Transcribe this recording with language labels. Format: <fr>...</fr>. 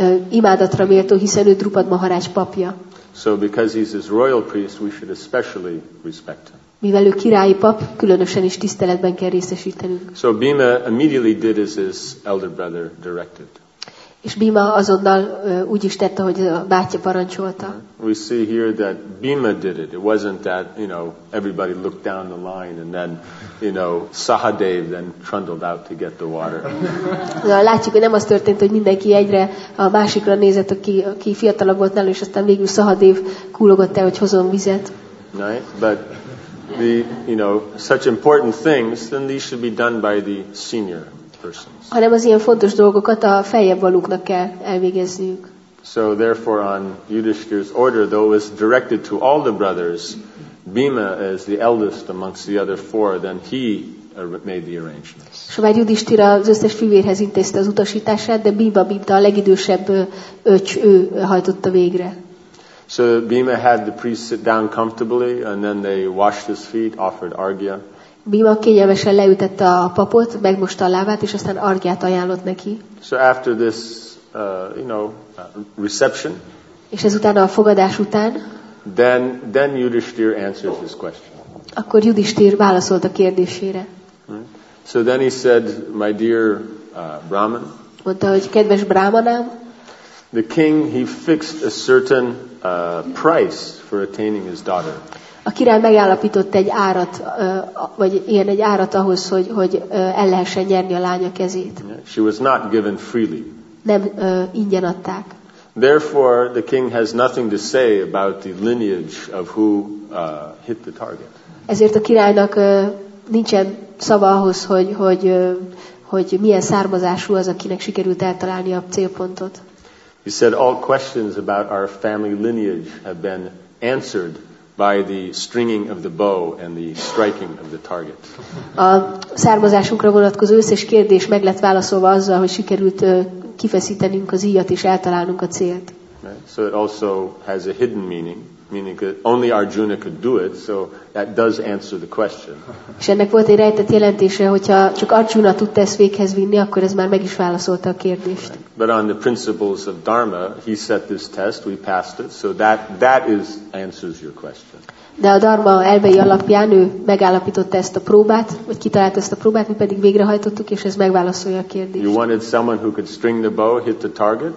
<hu>Imádatra méltó, hiszen ő Drupad Maharaj papja.</hu> <en>So because he's his royal priest, we should especially respect him.</en> <hu>Mivel ő királyi pap, különösen is tiszteletben kell részesítenünk.</hu> <en>So Bhima immediately did as his elder brother directed.</en> <hu>És Bhima azonnal úgy is tette, hogy a bátyja parancsolta.</hu> <en>We see here that Bhima did it. It wasn't that, you know, everybody looked down the line and then, you know, Sahadev then trundled out to get the water.</en> <hu>De látjuk, hogy nem az történt, hogy mindenki egyre a másikra nézett, aki fiatalabb volt nála, és aztán végül Sahadev kúlogott el, hogy hozzon vizet.</hu> <en>Right, but the, you know, such important things, then these should be done by the senior persons.</en> <hu>Hanem az ilyen fontos dolgokat a feljebb valóknak kell elvégezniük.</hu> <en>So therefore on Yudhishthira's order, though it was directed to all the brothers, Bhima as the eldest amongst the other four, then he made the arrangements.</en> <hu>S már Yudhishthira az összes fivérhez intézte az utasítását, de Bhima, mint a legidősebb öcs, ő hajtotta végre.</hu> <en>So Bhima had the priest sit down comfortably, and then they washed his feet, offered argya.</en> <hu>Bhima kényelmesen leütette a papot, megmosta a lábát, és aztán argyát ajánlott neki.</hu> <en>So after this, you know, reception.</en> <hu>És ezután a fogadás után.</hu> <en>Then Yudhishthir answered his question.</en> <hu>Akkor Yudhishthir válaszolt a kérdésére.</hu> <en>So then he said, my dear Brahman.</en> <hu>Mondta, hogy kedves Brahmanám.</hu> <en>The king, he fixed a certain price for attaining his daughter.</en> <hu>A király megállapított egy árat, vagy ilyen egy árat ahhoz, hogy el lehessen nyerni a lánya kezét.</hu> <en>She was not given freely.</en> <hu>Nem ingyen adták.</hu> <en>Therefore, the king has nothing to say about the lineage of who hit the target.</en> <hu>Ezért a királynak nincsen szava ahhoz, hogy milyen származású az, akinek sikerült eltalálni a célpontot.</hu> <en>He said all questions about our family lineage have been answered by the stringing of the bow and the striking of the target.</en> <hu>A származásunkra vonatkozó összes kérdés meg lett válaszolva azzal, hogy sikerült kifeszítenünk az íjat és eltalálnunk a célt.</hu> <en>So it also has a hidden meaning, meaning that only Arjuna could do it, so that does answer the question.</en> <hu>És ennek volt egy rejtett jelentése, hogyha csak Arjuna tudta ezt véghez vinni, akkor ez már meg is válaszolta a kérdést.</hu> <en>But on the principles of Dharma, he set this test, we passed it, so that is answers your question.</en> <hu>De a Dharma elvei alapján ő megállapította ezt a próbát, vagy kitalált ezt a próbát, mi pedig végrehajtottuk, és ez megválaszolja a kérdést.</hu> <en>You wanted someone who could string the bow, hit the target.</en>